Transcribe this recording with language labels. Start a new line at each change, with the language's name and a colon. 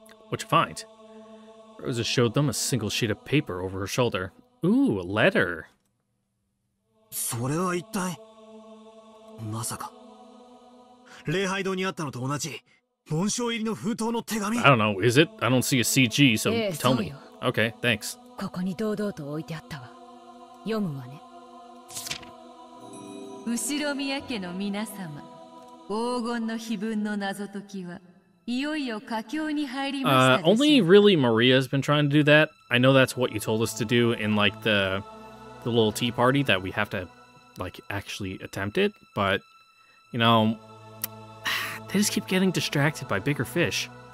English: What'd you find? Rosa showed them a single sheet of paper over her shoulder. Ooh, a letter.
Japanese: それは一体。まさか礼拝堂にあったのと同じ紋章入りの封筒の手紙。
English: I don't know. Is it? I don't see a CG, so tell me. Okay, thanks.
Japanese: ここに堂々と置いてあったわ。読むわね。後ろ宮家の皆様、黄金の碑文の謎解きはいよいよ佳境に入りました。
English: Only really Maria has been trying to do that. I know that's what you told us to do in like the little tea party that we have to. Like, actually attempt it, but you know, they just keep getting distracted by bigger fish.